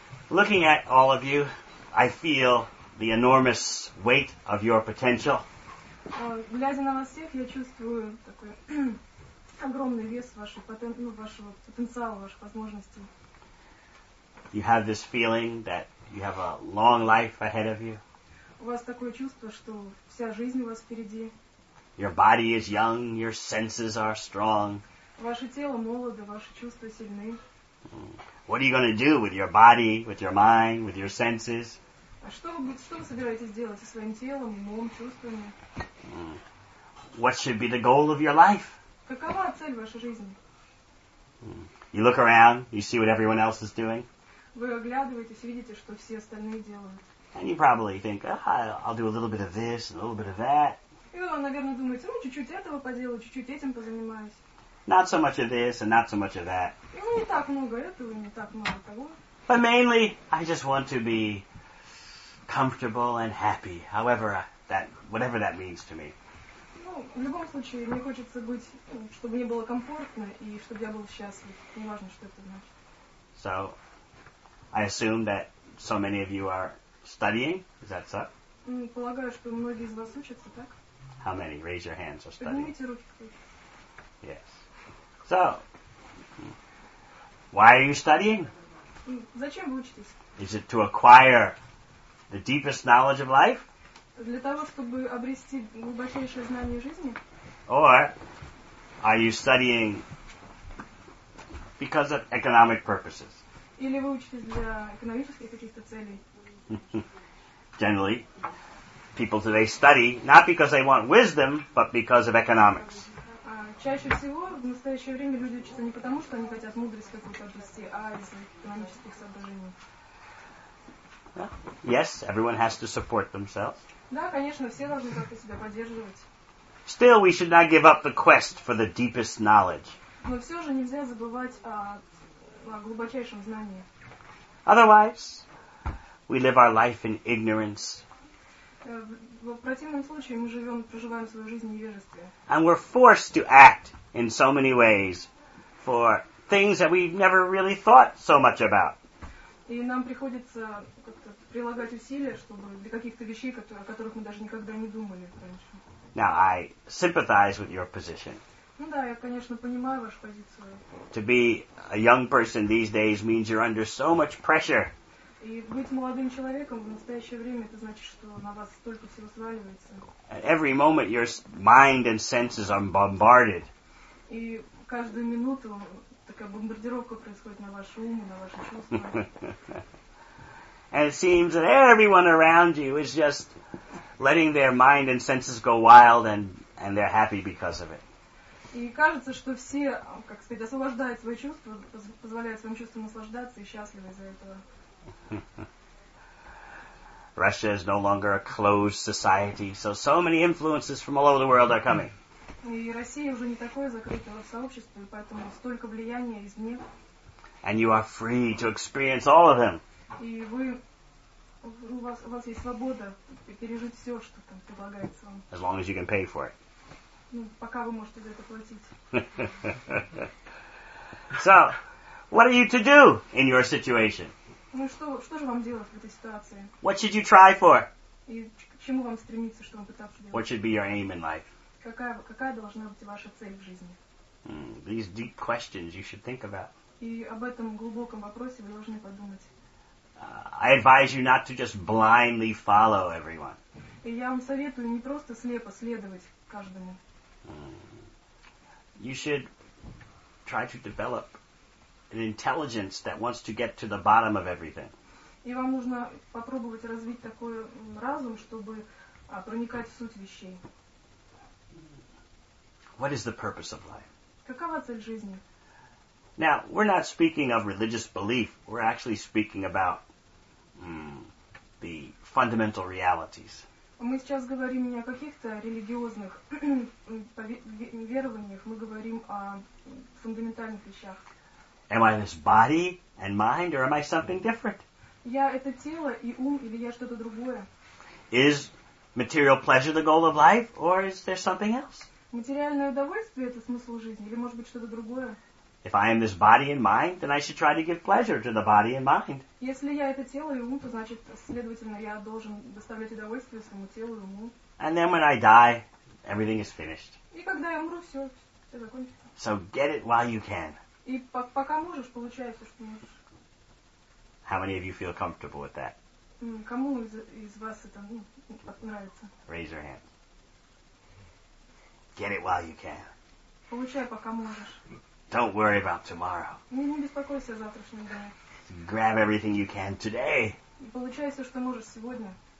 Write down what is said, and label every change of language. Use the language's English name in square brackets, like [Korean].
[English] Looking at all of you, I feel the enormous weight of your potential. [Russian] Глядя на вас всех, я чувствую такой огромный вес вашего потенциала, ваших возможностей. [English] You have this feeling that you have a long life ahead of you. [Russian] У вас такое чувство, что вся жизнь у вас впереди. [English] Your body is young, your senses are strong. [Russian] Ваше тело молодо, ваши чувства сильны. [English] What are you going to do with your body, with your mind, with your senses? [Russian] Что вы собираетесь делать со своим телом, умом, чувствами? [English] What should be the goal of your life? [Russian] Какова цель вашей жизни? [English] You look around, you see what everyone else is doing. [Russian] Вы оглядываетесь, видите, что все остальные делают. [English] And you probably think, I'll do a little bit of this, a little bit of that. [Russian] И вы, наверное, думаете, чуть-чуть этого поделаю, чуть-чуть этим позанимаюсь. [English] Not so much of this and not so much of that. [Russian] Не так много этого, не так много того. [English] But mainly, I just want to be comfortable and happy, whatever that means to me. [Russian] Ну, в любом случае, мне хочется быть, чтобы мне было комфортно и чтобы я был счастлив. Не важно, что это значит. [English] So, I assume that so many of you are studying. Is that so? [Russian] Полагаю, что многие из вас учатся, так? [English] How many? Раise your hands or study. [Russian] Поднимите руки. [English] Yes. So, why are you studying? [Russian] Зачем вы учитесь? [English] Is it to acquire the deepest knowledge of life? [Russian] Для того, чтобы обрести глубочайшее знание жизни? [English] Or are you studying because of economic purposes? [Russian] Или вы учитесь для экономических каких-то целей? [English] Generally, people today study not because they want wisdom, but because of economics. [Russian] Чаще всего в настоящее время люди учатся не потому, что они хотят мудрость какую-то обрести, а из экономических соображений. [English] Yes, everyone has to support themselves. [Russian] Да, конечно, все должны как-то себя поддерживать. [English] Still, we should not give up the quest for the deepest knowledge. [Russian] Но все же нельзя забывать о глубочайшем знании. [English] Otherwise, we live our life in ignorance. [Russian] В противном случае мы проживаем свою жизнь в невежестве. [English] And we're forced to act in so many ways for things that we've never really thought so much about. [Russian] И нам приходится как-то прилагать усилия, чтобы для каких-то вещей, о которых мы даже никогда не думали раньше. [English] Now, I sympathize with your position. [Russian] Ну да, я, конечно, понимаю вашу позицию. [English] To be a young person these days means you're under so much pressure. [Russian] И быть молодым человеком в настоящее время, это значит, что на вас столько всего сваливается. [English] At every moment your mind and senses are bombarded. [Russian] И каждую минуту такая бомбардировка происходит на ваш ум и на ваши чувства. [English] And it seems that everyone around you is just letting their mind and senses go wild and they're happy because of it. [Russian] И кажется, что все, как сказать, освобождают свои чувства, позволяют своим чувствам наслаждаться и счастливы из-за этого. [English] Russia is no longer a closed society, so many influences from all over the world are coming. [Russian] И Россия уже не такое закрытое сообщество, поэтому столько влияния извне. [English] And you are free to experience all of them. [Russian] И вы, у вас есть свобода пережить все, что там предлагается вам. [English] As long as you can pay for it. [Russian] Ну, пока вы можете за это платить. [English] So, what are you to do in your situation? [Russian] Ну что же вам делать в этой ситуации? [English] What should you try for? [Russian] И к чему вам стремиться, что вам пытаться делать? [English] What should be your aim in life? [Russian] Какая должна быть ваша цель в жизни? [English] These deep questions you should think about. [Russian] И об этом глубоком вопросе вы должны подумать. [English] I advise you not to just blindly follow everyone. [Russian] И я вам советую не просто слепо следовать каждому. [English] You should try to develop an intelligence that wants to get to the bottom of everything. [Russian] И вам нужно попробовать развить такой разум, чтобы проникать в суть вещей. [English] What is the purpose of life? [Russian] Какова цель жизни? [English] Now, we're not speaking of religious belief. We're actually speaking about the fundamental realities. [Russian] Мы сейчас говорим не о каких-то религиозных верованиях. Мы говорим о фундаментальных вещах. [English] Am I this body and mind, or am I something different? [Russian] Я это тело и ум, или я что-то другое? [English] Is material pleasure the goal of life, or is there something else? [Russian] Материальное удовольствие – это смысл жизни, или может быть что-то другое? [English] If I am this body and mind, then I should try to give pleasure to the body and mind. [Russian] Если я это тело и ум, то значит, следовательно, я должен доставлять удовольствие своему телу и уму. [English] And then when I die, everything is finished. [Russian] И когда я умру, все, все закончится. [English] So get it while you can. [Russian] И пока можешь, получай все, что можешь. [English] How many of you feel comfortable with that? [Russian] Кому из вас это нравится? [English] Raise your hand. Get it while you can. [Russian] Получай, пока можешь. [English] Don't worry about tomorrow. [Russian] Не беспокойся о завтрашнем дне. [English] Grab everything you can today. [Russian] Получай все, что можешь сегодня.